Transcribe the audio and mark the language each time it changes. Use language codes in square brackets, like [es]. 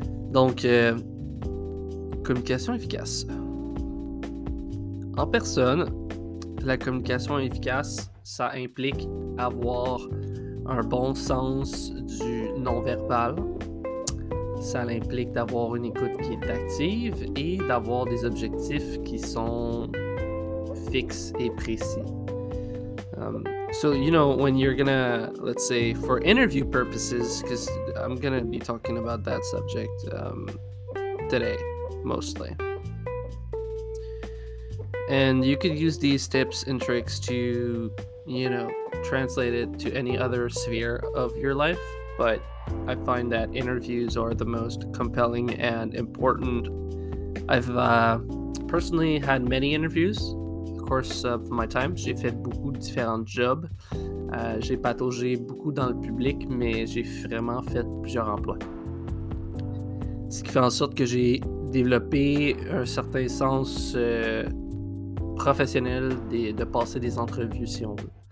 [fr] Donc, communication efficace. En personne, la communication efficace, ça implique avoir un bon sens du non-verbal. Ça implique d'avoir une écoute qui est active et d'avoir des objectifs qui sont fixes et précis. [en] When you're gonna, let's say, for interview purposes, because I'm gonna be talking about that subject today, mostly. And you could use these tips and tricks to, you know, translate it to any other sphere of your life. But I find that interviews are the most compelling and important. I've personally had many interviews the course of my time. [fr] J'ai fait beaucoup de différents jobs. J'ai pataugé beaucoup dans le public, mais j'ai vraiment fait plusieurs emplois. Ce qui fait en sorte que j'ai développé un certain sens professionnel de passer des entrevues, si on veut.